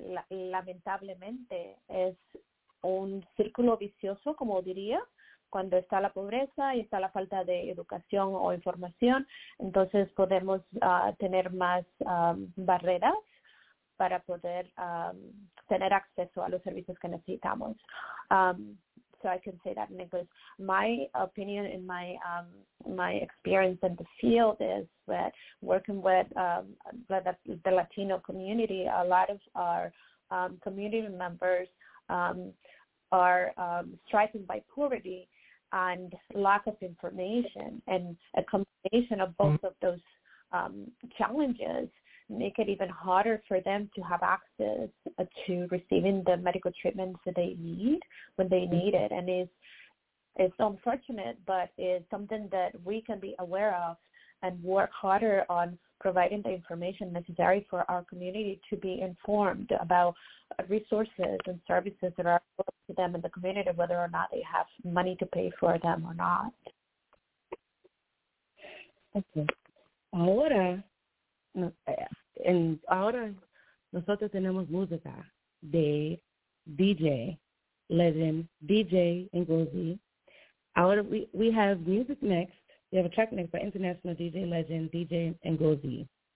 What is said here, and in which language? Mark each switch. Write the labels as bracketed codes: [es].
[es] Lamentablemente es un círculo vicioso, como diría, cuando está la pobreza y está la falta de educación o información, entonces podemos tener más barreras para poder tener acceso a los servicios que necesitamos. [en] So I can say that in English. My opinion and my my experience in the field is that working with the Latino community, a lot of our community members are striking by poverty and lack of information, and a combination of both of those challenges make it even harder for them to have access to receiving the medical treatments that they need when they need it. And it's unfortunate, but it's something that we can be aware of and work harder on providing the information necessary for our community to be informed about resources and services that are available to them in the community, whether or not they have money to pay for them or not. Okay. [es] Ahora, ahora nosotros tenemos música de DJ Legend, DJ Ngozi. [en] Ahora we have music next. We have a track next by international DJ legend DJ Ngozi.